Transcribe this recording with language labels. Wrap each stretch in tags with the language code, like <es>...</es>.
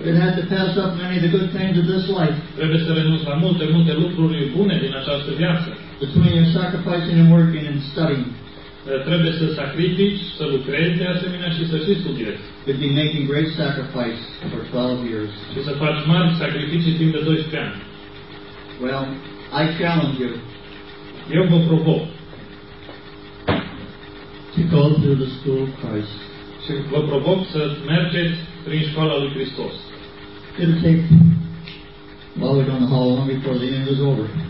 <en>It had to pass up many of the good things of this life.</en> <ro>Trebuie să renunți la multe, multe lucruri bune din această viață.</ro> <en>Between your sacrificing and working and studying.</en> <ro>Trebuie să sacrifici, să lucrezi de asemenea și să și studiezi.</ro> <en>You'd be making great sacrifice for 12 years.</en> <ro>Și să faci mari sacrificii timp de 12 ani.</ro> <en>Well, I challenge you.</en> <ro>Eu vă provoc.</ro> <en>To go through the school of Christ.</en> <ro>Și vă provoc să mergeți prin școala lui Hristos.</ro> <en>It'll take while we're on the hall long before the end is over.</en>